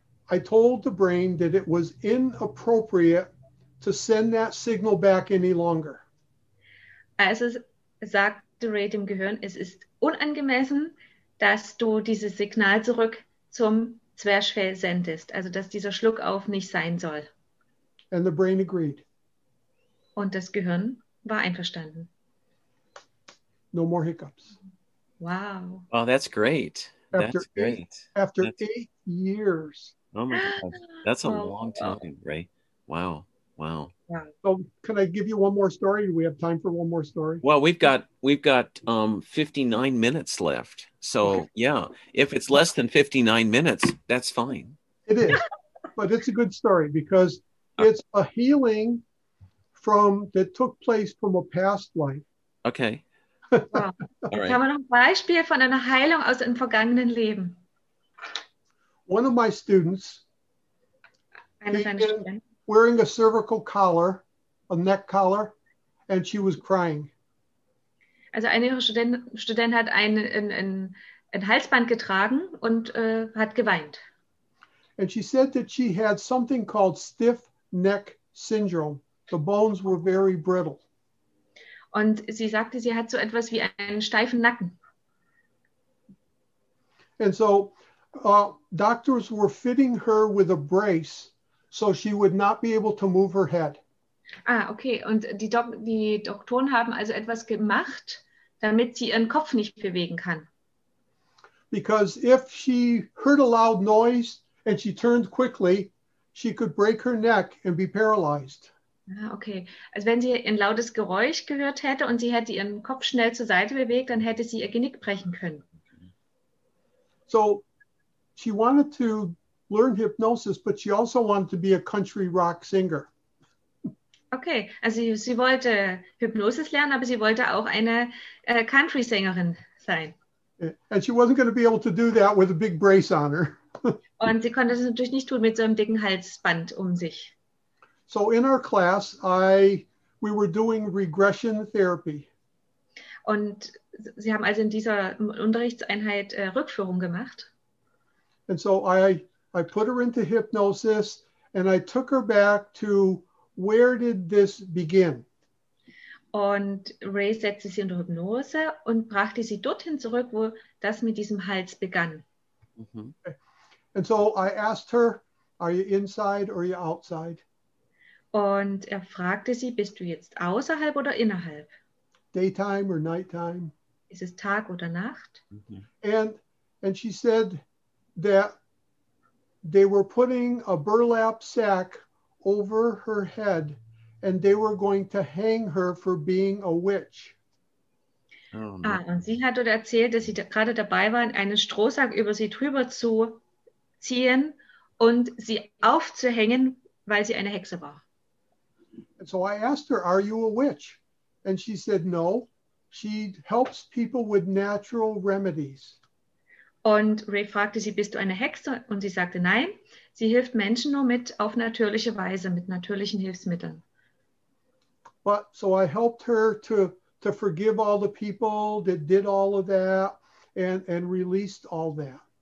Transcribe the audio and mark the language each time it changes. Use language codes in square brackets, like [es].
[en] I told the brain that it was inappropriate to send that signal back any longer. [de] Also sagte Ray dem Gehirn, es ist unangemessen, dass du dieses Signal zurück zum Zwerchfell sendest, also dass dieser Schluck auf nicht sein soll. [en] And the brain agreed. [de] Und das Gehirn war einverstanden. [en] No more hiccups. Wow. Oh, that's great. After 8 years. Oh my God. That's a long time, right? Wow. So can I give you one more story? Do we have time for one more story? Well, we've got 59 minutes left. So yeah. If it's less than 59 minutes, that's fine. It is. But it's a good story because it's a healing that took place from a past life. Okay. Wow. [de] Jetzt haben wir noch ein Beispiel von einer Heilung aus einem vergangenen Leben. [en] One of my students, wearing a cervical collar, a neck collar, and she was crying. [de] Also eine ihrer Studenten hat ein Halsband getragen und hat geweint. [en] And she said that she had something called stiff neck syndrome. The bones were very brittle. [de] Und sie sagte, sie hat so etwas wie einen steifen Nacken. [en] And so doctors were fitting her with a brace so she would not be able to move her head. Ah, okay. [de] Und die Doktoren haben also etwas gemacht, damit sie ihren Kopf nicht bewegen kann. [en] Because if she heard a loud noise and she turned quickly, she could break her neck and be paralyzed. Ah, okay. [de] Also wenn sie ein lautes Geräusch gehört hätte und sie hätte ihren Kopf schnell zur Seite bewegt, dann hätte sie ihr Genick brechen können. [en] So she wanted to learn hypnosis, but she also wanted to be a country rock singer. [de] Okay, also sie wollte Hypnosis lernen, aber sie wollte auch eine Country-Sängerin sein. [en] And she wasn't going to be able to do that with a big brace on her. [de] Und sie konnte es natürlich nicht tun mit so einem dicken Halsband um sich. [en] So in our class, we were doing regression therapy. [de] Und sie haben also in dieser Unterrichtseinheit Rückführung gemacht. [en] And so I put her into hypnosis and I took her back to where did this begin? [de] Und Ray setzte sie unter Hypnose und brachte sie dorthin zurück, wo das mit diesem Hals begann. Mm-hmm. [en] And so I asked her, are you inside or are you outside? [de] Und fragte sie, bist du jetzt außerhalb oder innerhalb? [en] Daytime or nighttime? [de] Ist es Tag oder Nacht? Mm-hmm. [en] And she said that they were putting a burlap sack over her head and they were going to hang her for being a witch. Oh, no. [de] Und sie hat dort erzählt, dass sie gerade dabei waren, einen Strohsack über sie drüber zu ziehen und sie aufzuhängen, weil sie eine Hexe war. [en] And so I asked her, are you a witch? And she said, no, she helps people with natural remedies. [de] Und Ray fragte sie, bist du eine Hexe? Und sie sagte, nein, sie hilft Menschen nur mit auf natürliche Weise, mit natürlichen Hilfsmitteln. [en] But so I helped her to forgive all the people that did all of that and released all that.